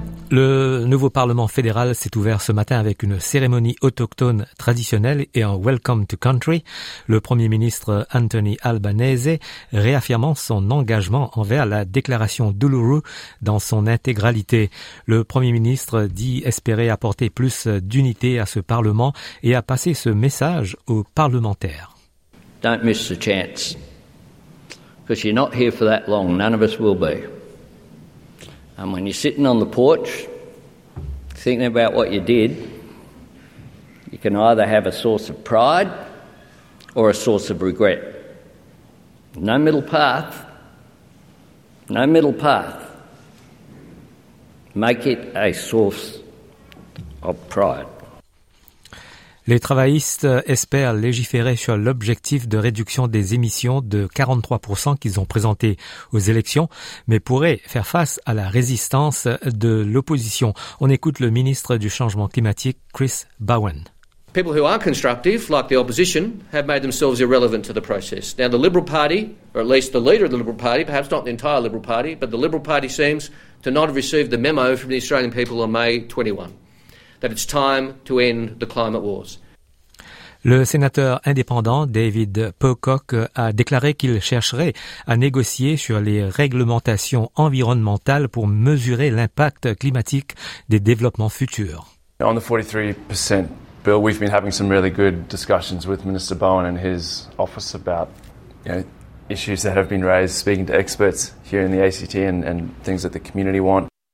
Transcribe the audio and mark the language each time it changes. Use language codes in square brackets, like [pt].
[fr] Le nouveau Parlement fédéral s'est ouvert ce matin avec une cérémonie autochtone traditionnelle et un « Welcome to Country », le Premier ministre Anthony Albanese réaffirmant son engagement envers la déclaration d'Uluru dans son intégralité. Le Premier ministre dit espérer apporter plus d'unité à ce Parlement et a passé ce message aux parlementaires. [en] Don't miss the chance, because you're not here for that long, none of us will be. And when you're sitting on the porch, thinking about what you did, you can either have a source of pride or a source of regret. No middle path. No middle path. Make it a source of pride. [fr] Les travaillistes espèrent légiférer sur l'objectif de réduction des émissions de 43% qu'ils ont présenté aux élections, mais pourraient faire face à la résistance de l'opposition. On écoute le ministre du Changement climatique, Chris Bowen. [en] People who aren't constructive, like the opposition, have made themselves irrelevant to the process. Now the Liberal Party, or at least the leader of the Liberal Party, perhaps not the entire Liberal Party, but the Liberal Party seems to not have received the memo from the Australian people on May 21. That it's time to end the climate wars. [fr] Le sénateur indépendant David Pocock a déclaré qu'il chercherait à négocier sur les réglementations environnementales pour mesurer l'impact climatique des développements futurs. [en] On the 43% bill, we've been having some really good discussions with Minister Bowen and his office about issues that have been raised, speaking to experts here in the ACT and things that the community want.